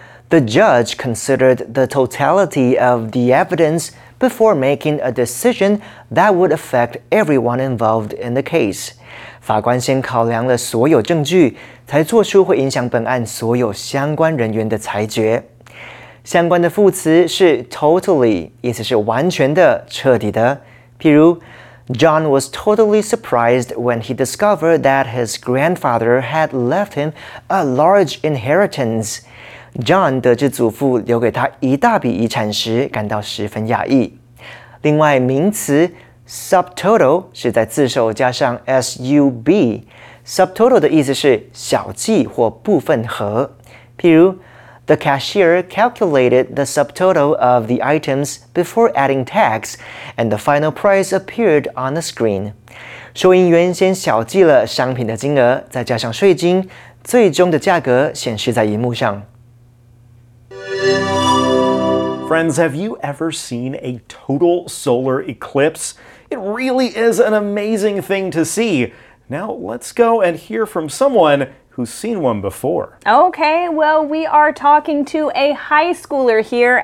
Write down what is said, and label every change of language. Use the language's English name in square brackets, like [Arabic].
[English] The judge considered the totality of the evidence before making a decision that would affect everyone involved in the case. [Chinese] 法官先考量了所有证据，才做出会影响本案所有相关人员的裁决。相关的副词是 totally, 意思是完全的、彻底的。譬如 [English] John was totally surprised when he discovered that his grandfather had left him a large inheritance. [Chinese] John 得知祖父留给他一大笔遗产时感到十分讶异。另外名词 subtotal 是在字首加上 sub。 subtotal 的意思是小计或部分和。譬如 [English] The cashier calculated the subtotal of the items before adding tax, and the final price appeared on the screen. [Chinese] 收银员先小计了商品的金额，再加上税金，最终的价格显示在荧幕上。 [English] Friends, have you ever seen a total solar eclipse? It really is an amazing thing to see. Now, let's go and hear from someone who's seen one before. Okay, well, we are talking to a high schooler here.